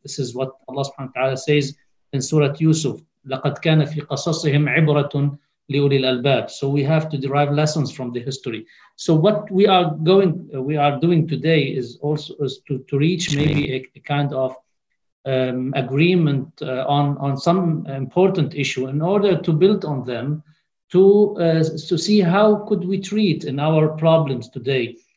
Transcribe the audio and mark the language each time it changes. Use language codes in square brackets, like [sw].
[en] This is what Allah subhanahu wa ta'ala says in Surah Yusuf. [ar] لقد كان في قصصهم عبرة لأولي الألباب. [en] So we have to derive lessons from the history. So what we are going, we are doing today is also is to reach maybe a kind of agreement on some important issue in order to build on them, to see how could we treat in our problems today.